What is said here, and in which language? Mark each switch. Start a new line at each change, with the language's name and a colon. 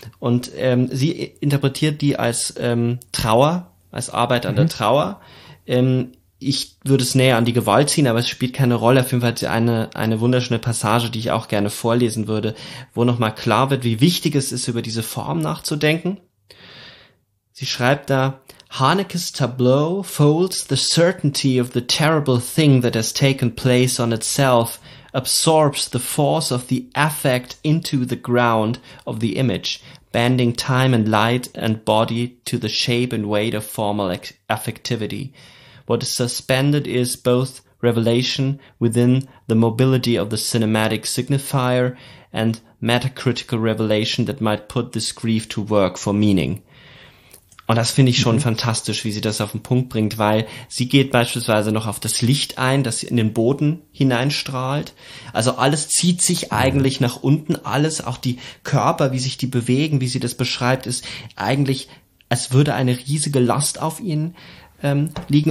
German: Und sie interpretiert die als Trauer, als Arbeit an der Trauer. Ich würde es näher an die Gewalt ziehen, aber es spielt keine Rolle. Auf jeden Fall hat sie eine wunderschöne Passage, die ich auch gerne vorlesen würde, wo nochmal klar wird, wie wichtig es ist, über diese Form nachzudenken. Sie schreibt da,
English: Haneke's tableau folds the certainty of the terrible thing that has taken place on itself, absorbs the force of the affect into the ground of the image, bending time and light and body to the shape and weight of formal affectivity. What is suspended is both revelation within the mobility of the cinematic signifier and metacritical revelation that might put this grief to work for meaning.
German: Und das finde ich schon fantastisch, wie sie das auf den Punkt bringt, weil sie geht beispielsweise noch auf das Licht ein, das in den Boden hineinstrahlt. Also alles zieht sich eigentlich nach unten, alles, auch die Körper, wie sich die bewegen, wie sie das beschreibt, ist eigentlich, als würde eine riesige Last auf ihnen liegen.